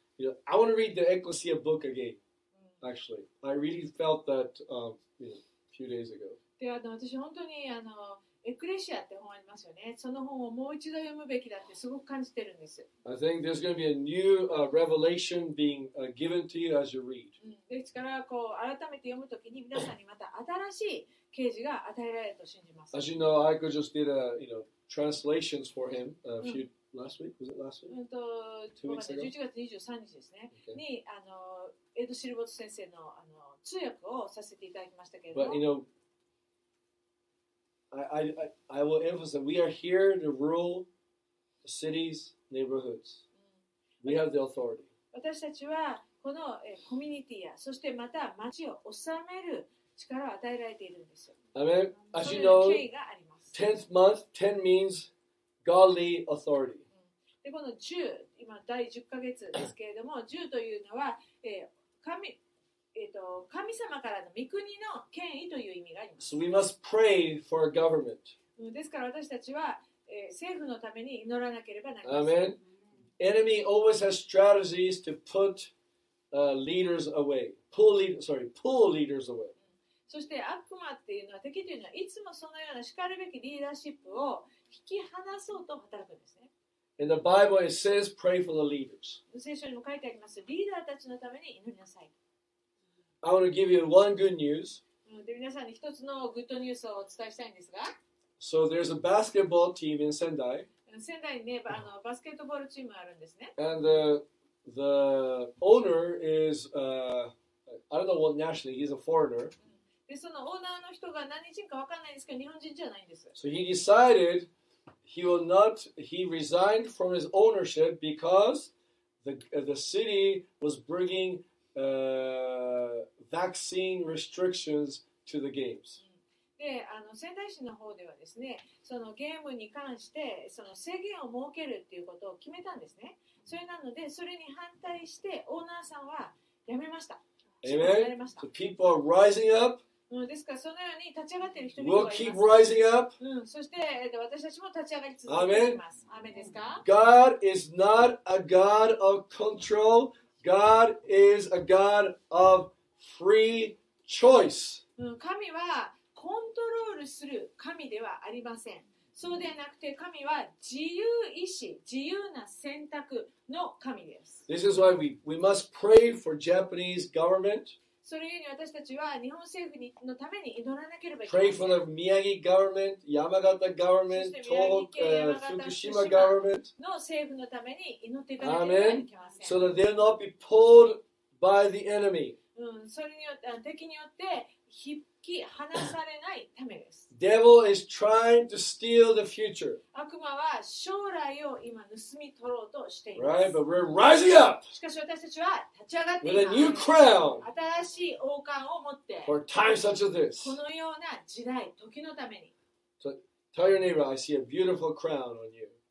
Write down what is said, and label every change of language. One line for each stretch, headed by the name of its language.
English: I want to read the Ecclesia book again. Actually, I really felt that a few days ago.
Japanese: で、私本当にエクレシアって本ありますよね。その本をもう一度読むべきだってすごく感じてるんです。
English: I think there's going to be a new revelation being given to you as you read.
Japanese: ですから、こう改めて読むときに皆さんにまた新しい啓示が与えられると信じます。
English: As you know, Aiko just did translations for him a few last week. Was it last week?
Japanese: 11月23日ですね。に、エド・シルボット先生の通訳をさせていただきましたけれども。
English: But, I will emphasize that we are here in the rural cities, neighborhoods. We have the authority.
Japanese: 私たちはこのコミュニティやそしてまた町を治める力を与えられているんですよ。
English: Amen. As you know, 10th month, 10 means godly authority.
Japanese: でこの10、今第10ヶ月ですけれども、10というのは神様からの御国の権威という意味があります。
English: So we must pray for a government.
Japanese: ですから私たちは、政府のために祈らなければなりません。
English: Amen. Enemy always has strategies to put leaders away. Pull leaders away.
Japanese: そして悪魔っていうのは敵というのはいつもそのようなしかるべきリーダーシップを引き離そうと働くんですね。
English: In the Bible it says pray for the leaders.
Japanese: 聖書にも書いてあります。リーダーたちのために祈りなさい。
English: I want to give you one good news.
Japanese: で、皆さんに一つのグッドニュースをお伝えしたいんですが。
English: So there's a basketball team in Sendai.
Japanese: 仙台にね、バスケットボールチームあるんですね。
English: And the owner is, I don't know what nationality, he's a foreigner.
Japanese: で、そのオーナーの人が何人かわかんないんですけど、日本人じゃないんです。
English: So he decided he resigned from his ownership because the city was bringingvaccine restrictions to the games.
Japanese: で、仙台市の方ではですね、そのゲームに関してその制限を設けるっていうことを決めたんですね。それなので、それに反対してオーナーさんは辞めました。
English: Amen. So people are rising up.
Japanese: ですから、そのように立ち上がっている人々がいます。
English: We'll keep rising up.
Japanese: そして、私たちも立ち上がり続けています。
English: Amen. God is not a God of control. God is a God of free choice.
Japanese: 神はコントロールする神ではありません。そうではなくて、神は自由意志、自由な選択の神です。
English: This is why we must pray for Japanese government.
Japanese: それゆえに私たちは日本政府のために祈らなければいけません。
English: Pray for the Miyagi government, Yamagata government, Tohoku, Fukushima government.
Japanese: の政府のために祈っていただければいけません。
English: So that they'll not be pulled by the enemy.
Japanese: それによって敵によって引き離されないためです。
English: Devil is trying to steal the future.
Japanese: 悪魔は将来を今盗み取ろうとしています。
English: Right, but we're rising up.
Japanese: しかし私たちは立ち上がっています。
English: With a new crown.
Japanese: 新しい王冠を持って。
English: For times such as this.
Japanese: このような時代、時のために。
English: So, tell your neighbor, I see a beautiful crown on you.